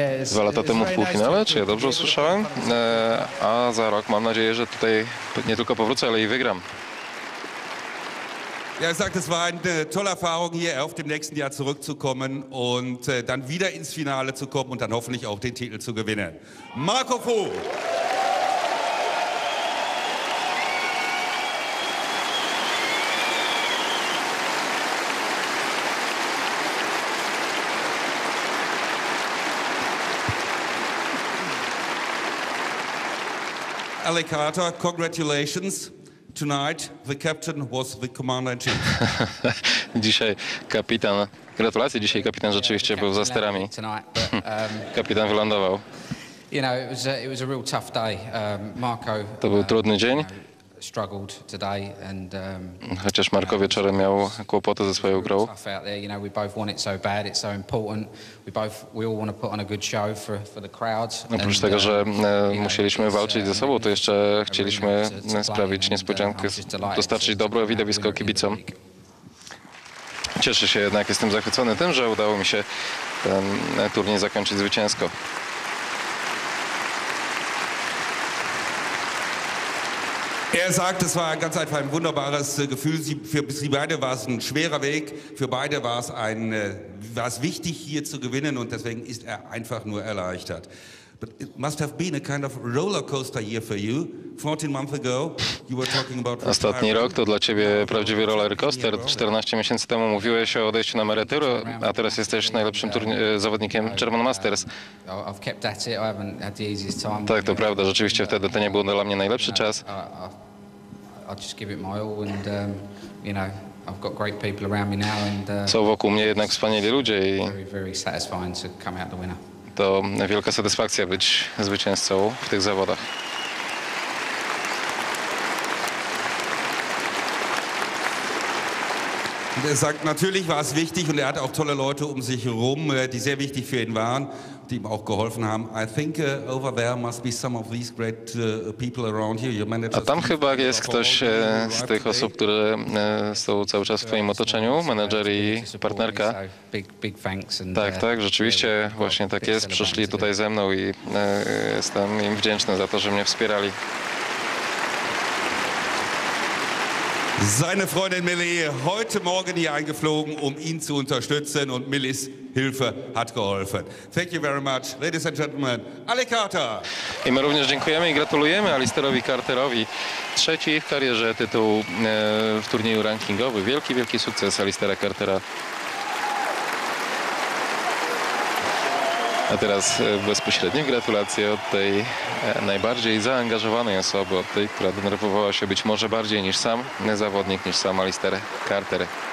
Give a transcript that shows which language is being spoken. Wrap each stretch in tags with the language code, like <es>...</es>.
<pl>Dwa lata temu w półfinale, czy ja dobrze usłyszałem? A za rok mam nadzieję, że tutaj nie tylko powrócę, ale i wygram.</pl> <de>Ja, sagt, es war eine tolle Erfahrung hier auf dem nächsten Jahr zurückzukommen und dann wieder ins Finale zu kommen und dann hoffentlich auch den Titel zu gewinnen.</de> <en>Marco Fu. Ali Carter, congratulations. Tonight the captain was the commander-in-chief.</en> <pl>Dzisiaj kapitan. Gratulacje, dzisiaj kapitan rzeczywiście był za sterami. Kapitan wylądował.</pl> <en>You know, it was a real tough day. Marco.</en> <pl>To był trudny dzień.</pl> <en>Struggled today and</en> <pl>chociaż Marko wieczorem miał kłopoty ze swoją grą.</pl> <en>You know, we both want it so bad, it's so important. We all want to put on a good show for the crowds.</en> <pl>Oprócz tego, że musieliśmy walczyć ze sobą, to jeszcze chcieliśmy sprawić niespodziankę, dostarczyć dobre widowisko kibicom. Cieszę się jednak, jestem zachwycony tym, że udało mi się ten turniej zakończyć zwycięsko.</pl> <de>Er sagt, es war ganz einfach ein wunderbares Gefühl. Für Sie beide war es ein schwerer Weg. Für beide war es wichtig, hier zu gewinnen, und deswegen ist er einfach nur erleichtert.</de> <en>But it must have been a kind of roller coaster year for you. 14 months ago, you were talking about.</en> <pl>Ostatni rok to dla ciebie prawdziwy roller coaster. 14 miesięcy temu mówiłeś o odejściu na emeryturę, a teraz jesteś najlepszym zawodnikiem German Masters.</pl> <en>I've kept at it. I haven't had the easiest time.</en> <pl>Tak, to prawda. Rzeczywiście wtedy to nie był dla mnie najlepszy czas.</pl> <en>I just give it my all, and you know, I've got great people around me now, and.</en> <pl>Są wokół mnie jednak wspaniali ludzie i.</pl> <en>Very satisfying to come out the winner.</en> <pl>To wielka satysfakcja być zwycięzcą w tych zawodach.</pl> <de>Er sagt, natürlich war es wichtig und er hat auch tolle Leute um sich herum, die sehr wichtig für ihn waren, die ihm auch geholfen haben.</de> <en>I think over there must be some of these great people around you. Your manager.</en> <pl>A tam chyba jest ktoś z tych osób, które są cały czas w twoim otoczeniu, menedżer i partnerka. Tak, tak, rzeczywiście właśnie tak jest. Przyszli tutaj ze mną i jestem im wdzięczny za to, że mnie wspierali.</pl> <de>Seine Freundin Millie heute Morgen hier eingeflogen, um ihn zu unterstützen, und Millies Hilfe hat geholfen.</de> <en>Thank you very much, ladies and gentlemen. Ali Carter.</en> <pl>I my również dziękujemy i gratulujemy Alisterowi Carterowi. Trzeci w karierze tytuł w turnieju rankingowym. Wielki, wielki sukces Alistera Cartera. A teraz bezpośrednie gratulacje od tej najbardziej zaangażowanej osoby, od tej, która denerwowała się być może bardziej niż sam zawodnik, niż sam Alister Carter.</pl>